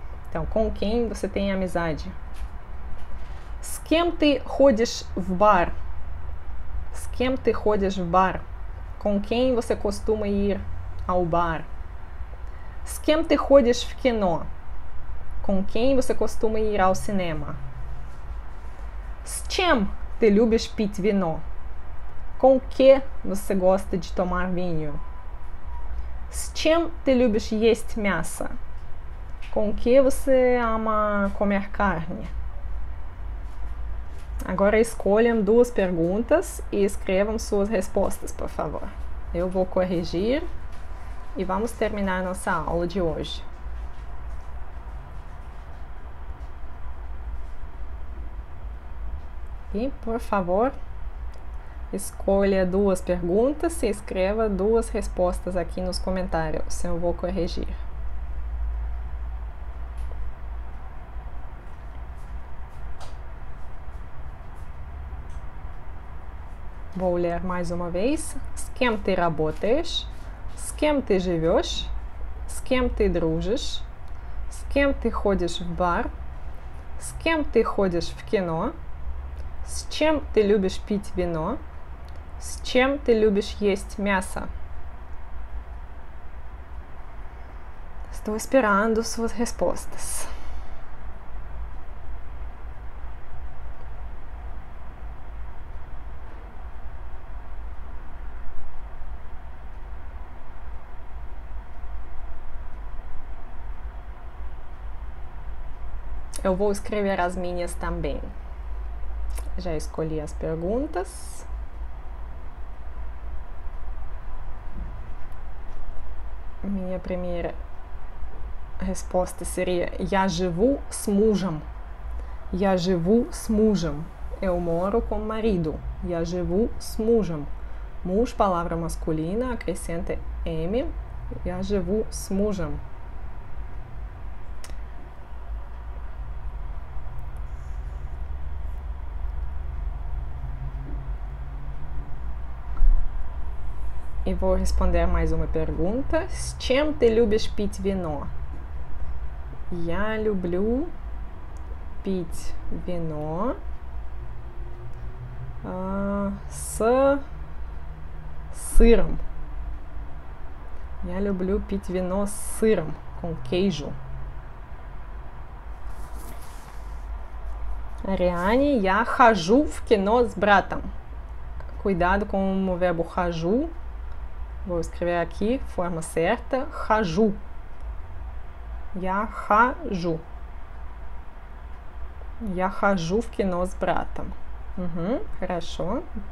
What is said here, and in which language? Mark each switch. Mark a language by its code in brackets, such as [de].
[pt] Então, com quem você tem amizade? [ru] S quem ti ходиш в бар? С кем ты ходишь в бар? [pt] Com quem você costuma ir ao bar? [ru] С кем ты ходишь в кино? [pt] Com quem você costuma ir ao cinema? [ru] С чем ты любишь пить вино? [pt] Com que você gosta de tomar vinho? [ru] С чем ты любишь есть мясо? [pt] Com que você ama comer carne? Agora escolham duas perguntas e escrevam suas respostas, por favor. Eu vou corrigir e vamos terminar nossa aula de hoje. E, por favor, escolha duas perguntas e escreva duas respostas aqui nos comentários. Eu vou corrigir. Vou ler mais uma vez. [ru] С кем ты работаешь? С кем ты живешь? С кем ты дружишь? С кем ты ходишь в бар? С кем ты ходишь в кино? С чем ты любишь пить вино? С чем ты любишь есть мясо? [pt] Estou esperando suas respostas. Eu vou escrever as minhas também. Já escolhi as perguntas. Minha primeira resposta seria: [ru] Я живу с мужем. Я живу с мужем. [pt] Eu moro com marido. [ru] Я живу с мужем. Муж, [pt] palavra masculina, acrescenta M. [ru] Я живу с мужем. [pt] E vou responder mais uma pergunta. [ru] С чем ты любишь пить вино? Я люблю пить вино. С сыром. Я люблю пить вино с сыром, [pt] com queijo. [ru] Ариане, я хожу в кино с братом. [pt] Cuidado com o verbo хожу. Vou escrever aqui, forma certa, хожу. [ru] Я хожу. Я хожу в кино с братом. Хорошо.